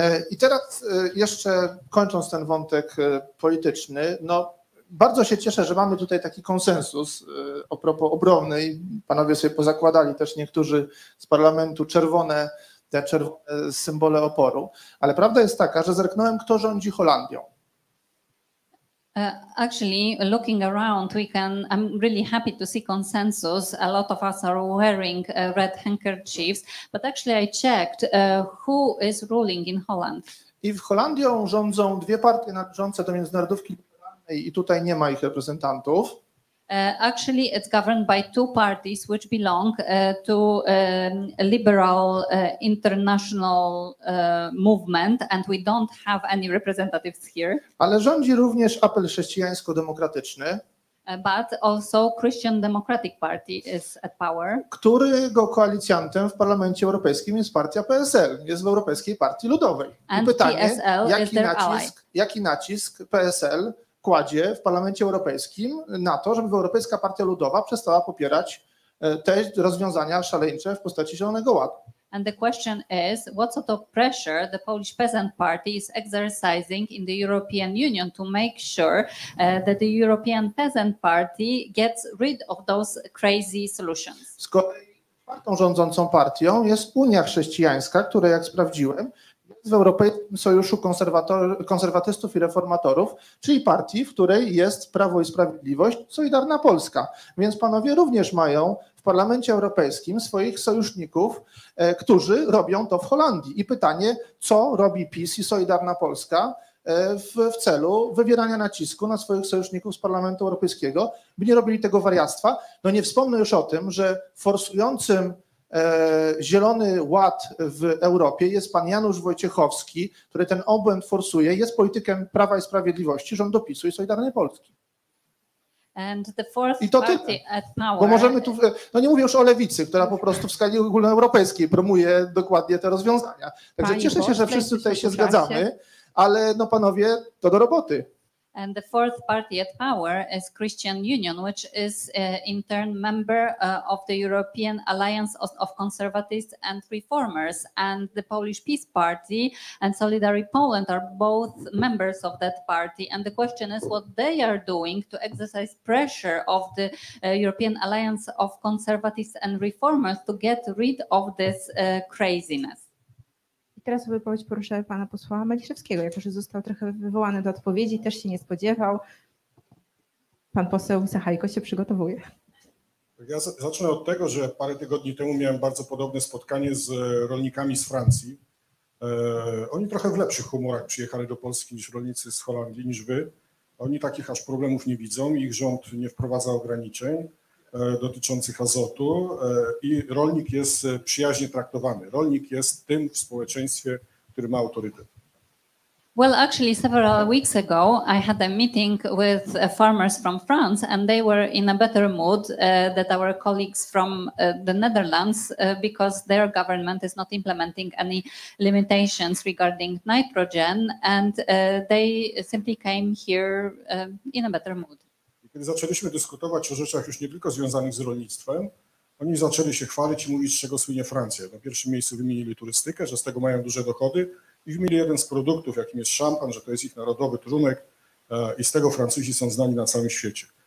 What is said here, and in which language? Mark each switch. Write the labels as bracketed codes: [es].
[pl] I teraz jeszcze kończąc ten wątek polityczny, no bardzo się cieszę, że mamy tutaj taki konsensus a propos obrony. Panowie sobie pozakładali też niektórzy z parlamentu te czerwone symbole oporu. Ale prawda jest taka, że zerknąłem, kto rządzi Holandią. [en] Actually, looking around, I'm really happy to see consensus. A lot of us are wearing red handkerchiefs, but actually I checked who is ruling in Holland. [pl] I w Holandii rządzą dwie partie należące do międzynarodówki liberalnej i tutaj nie ma ich reprezentantów. [en] Actually, it's governed by two parties which belong to liberal international movement, and we don't have any representatives here. [pl] Ale rządzi również apel chrześcijańsko-demokratyczny. [en] But also Christian Democratic Party is at power. [pl] Którego koalicjantem w Parlamencie Europejskim jest partia PSL, jest w Europejskiej Partii Ludowej. [en] And [pl] i pytanie, PSL jaki nacisk PSL kładzie w Parlamencie Europejskim na to, żeby Europejska Partia Ludowa przestała popierać te rozwiązania szaleńcze w postaci Zielonego Ładu. [en] And the question is, what sort of pressure the Polish Peasant Party is exercising in the European Union to make sure that the European Peasant Party gets rid of those crazy solutions? [pl] Z kolei partią rządzącą partią jest Unia Chrześcijańska, która, jak sprawdziłem, w Europejskim Sojuszu Konserwatystów i Reformatorów, czyli partii, w której jest Prawo i Sprawiedliwość, Solidarna Polska. Więc panowie również mają w Parlamencie Europejskim swoich sojuszników, którzy robią to w Holandii. I pytanie, co robi PiS i Solidarna Polska w celu wywierania nacisku na swoich sojuszników z Parlamentu Europejskiego, by nie robili tego wariactwa? No nie wspomnę już o tym, że forsującym Zielony Ład w Europie jest pan Janusz Wojciechowski, który ten obłęd forsuje, jest politykiem Prawa i Sprawiedliwości, rządu PiS-u i Solidarnej Polski. [en] And the fourth [pl] i to tyle, bo możemy tu, no nie mówię już o lewicy, która po prostu w skali ogólnoeuropejskiej promuje dokładnie te rozwiązania. Także Pani cieszę się, że wszyscy tutaj się zgadzamy, ale no panowie, to do roboty. [en] And the fourth party at power is Christian Union, which is in turn member of the European Alliance of Conservatives and Reformers. And the Polish Peace Party and Solidarity Poland are both members of that party. And the question is what they are doing to exercise pressure of the European Alliance of Conservatives and Reformers to get rid of this craziness. [pl] Teraz wypowiedź poruszę pana posła Maliszewskiego, jako że został trochę wywołany do odpowiedzi, też się nie spodziewał. Pan poseł Sachajko się przygotowuje. Ja zacznę od tego, że parę tygodni temu miałem bardzo podobne spotkanie z rolnikami z Francji. Oni trochę w lepszych humorach przyjechali do Polski niż rolnicy z Holandii, niż wy. Oni takich aż problemów nie widzą, ich rząd nie wprowadza ograniczeń dotyczących azotu i rolnik jest przyjaźnie traktowany. Rolnik jest tym w społeczeństwie, który ma autorytet. [en] Well, actually, several weeks ago, I had a meeting with farmers from France, and they were in a better mood than our colleagues from the Netherlands, because their government is not implementing any limitations regarding nitrogen, and they simply came here in a better mood. [pl] Kiedy zaczęliśmy dyskutować o rzeczach już nie tylko związanych z rolnictwem, oni zaczęli się chwalić i mówić, z czego słynie Francja. Na pierwszym miejscu wymienili turystykę, że z tego mają duże dochody i wymienili jeden z produktów, jakim jest szampan, że to jest ich narodowy trunek i z tego Francuzi są znani na całym świecie.